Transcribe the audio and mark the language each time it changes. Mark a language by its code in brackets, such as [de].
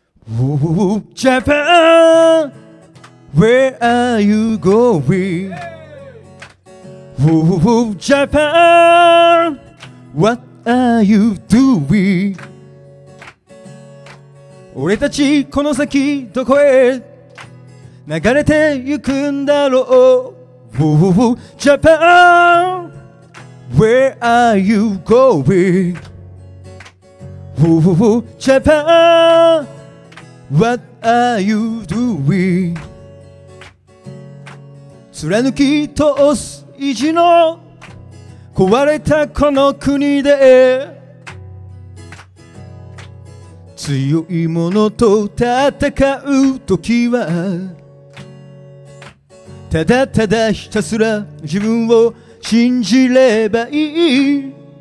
[en] Ooh, Japan, where are you going? Ooh, Japan, what are you doing? [ja] 俺たちこの先どこへ流れていくんだろう。 [en] Ooh, Japan, where are you going? Ooh, Japan, what are you doing? [ja] 貫き通す意地の壊れたこの国で強いものと戦う時はただただひたすら自分を信じればいい。